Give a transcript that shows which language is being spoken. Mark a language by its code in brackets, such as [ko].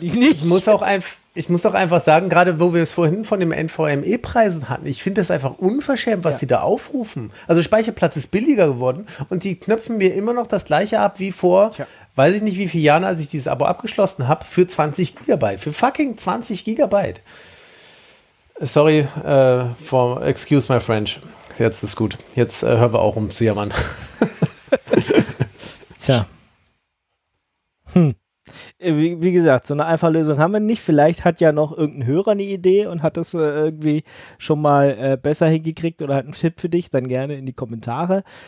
[de] Ich muss auch einfach sagen, gerade wo wir es vorhin von den NVMe-Preisen hatten, ich finde das einfach unverschämt, was ja, die da aufrufen. Also Speicherplatz ist billiger geworden und die knöpfen mir immer noch das gleiche ab wie vor, weiß ich nicht wie viele Jahren, als ich dieses Abo abgeschlossen habe, für 20 GB. Für fucking 20 GB. [en] Sorry, for excuse my French. [de] Jetzt ist gut. Jetzt hören wir auch um zu jammern. Tja. Wie gesagt, so eine einfache Lösung haben wir nicht. Vielleicht hat ja noch irgendein Hörer eine Idee und hat das irgendwie schon mal besser hingekriegt oder hat einen Tipp für dich, dann gerne in die Kommentare.